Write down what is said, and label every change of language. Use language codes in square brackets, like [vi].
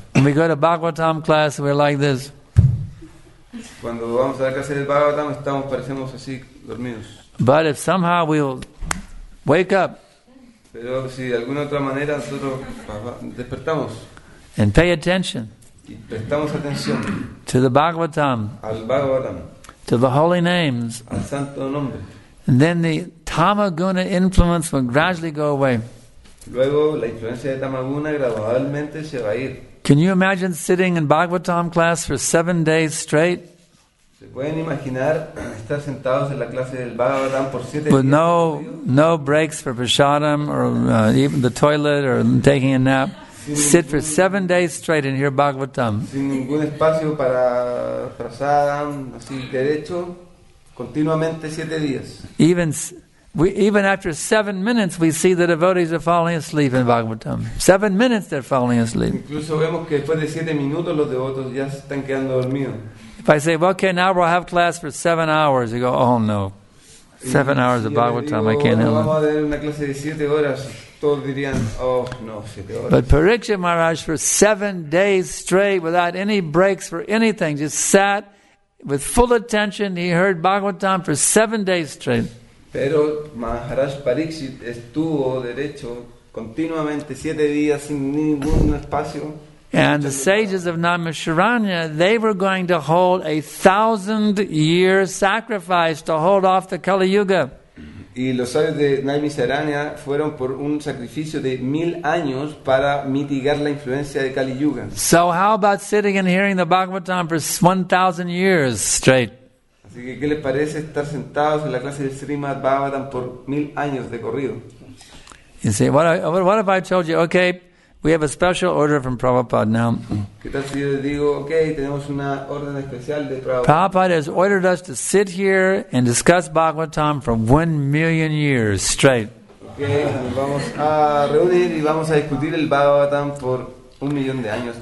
[en] When we go to Bhagavatam class, we're like this. [es] Cuando vamos a la clase del Bhagavatam, estamos, parecemos así, dormidos. [en] But if somehow we'll wake up. [es] Pero si de alguna otra manera nosotros despertamos. [en] And pay attention. [es] Y prestamos atención. [en] To the Bhagavatam. [es] Al Bhagavatam. [en] To the holy names. [es] Al santo nombre. [en] And then the tamaguna influence will gradually go away. [es] Luego la influencia de tamaguna gradualmente se va a ir. [en] Can you imagine sitting in Bhagavatam class for 7 days straight? [es] ¿Se pueden imaginar estar sentados en la clase del Bhagavatam por 7 días? [en] With no breaks for prasadam or even the toilet or taking a nap. Sit for 7 days straight and hear Bhagavatam. [es] Sin ningún espacio para prasadam, así derecho, continuamente 7 días. [en] Even after 7 minutes, we see the devotees are falling asleep in Bhagavatam. 7 minutes, they're falling asleep. [es] Incluso vemos que después de 7 minutos los devotos ya se están quedando dormidos. [en] If I say, well, okay, now we'll have class for 7 hours, you go, oh no, 7 hours of Bhagavatam, I can't handle it. But Pariksit Maharaj, for 7 days straight, without any breaks for anything, just sat with full attention, he heard Bhagavatam for 7 days straight. [es] Pero Maharaj Pariksit estuvo derecho continuamente 7 días sin ningún espacio. [en] And the sages of Namasharanya, they were going to hold a 1,000-year sacrifice to hold off the Kali Yuga. [es] Y los sabios de Namasharanya fueron por un sacrificio de 1,000 años para mitigar la influencia de Kali Yuga. [en] So how about sitting and hearing the Bhagavatam for 1,000 years straight? [es] Así que, ¿qué les parece estar sentados en la clase del Srimad Bhagavatam por 1,000 años de corrido? [en] You see, what if I told you, okay, we have a special order from Prabhupada now. [es] ¿Qué tal si yo digo, okay, tenemos una orden especial de Prabhupada? [en] Prabhupada has ordered us to sit here and discuss Bhagavatam for 1,000,000 years straight. [es] Okay, nos vamos a reunir y vamos a discutir el Bhagavatam por 1,000,000 años.